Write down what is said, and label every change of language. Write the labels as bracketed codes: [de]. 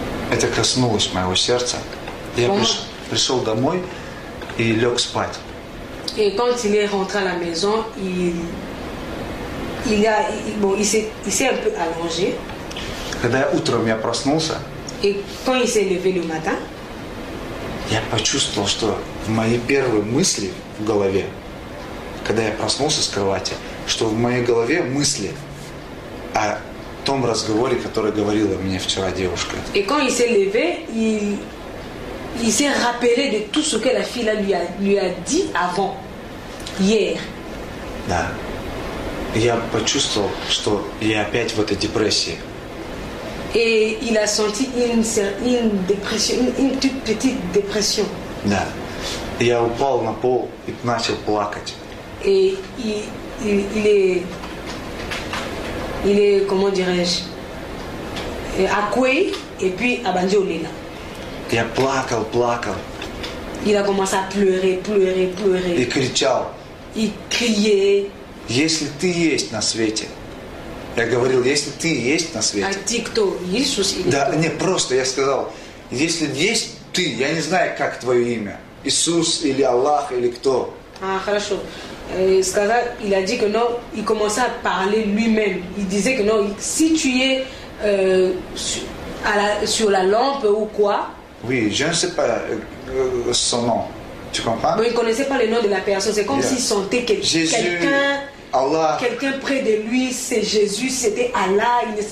[ru] Это коснулось моего сердца. Я пришел домой и лег спать. И когда он вернулся на [fr] maison, il s'est un peu allongé. [ru] Когда утром я проснулся, и когда он [fr] s'est levé le matin, [ru] я почувствовал, что в моей первой мысли в голове, когда я проснулся с кровати, что в моей голове мысли о том разговоре, который говорила мне вчера девушка. И когда он [fr] s'est levé, il s'est rappelé de tout ce que la fille lui a dit avant, hier. [ru] Да. Я почувствовал, что я опять в этой депрессии. [fr] Et il a senti une dépression, une toute petite dépression. [ru] Да. Я упал на пол и начал плакать. [fr] Et il est comment dirais-je, accueilli et puis abandonné là. [ru] Я плакал. [fr] Il a commencé à pleurer. [ru] И кричал. [fr] Il criait. [ru] Если ты есть на свете. Я говорил, если ты есть на свете. А ты кто? Иисус или да, кто? Не, просто я сказал, если есть ты, я не знаю, как твое имя. Иисус или Аллах или кто. А, хорошо. [fr] Il a dit que non, il commençait à parler lui-même. Il disait que non, si tu es sur la lampe ou quoi. Oui, je ne sais pas son nom. Tu comprends? Bon, il ne connaissait pas le nom de la personne. C'est comme s'il sentait quelqu'un près de lui, c'est Jésus, c'était Allah.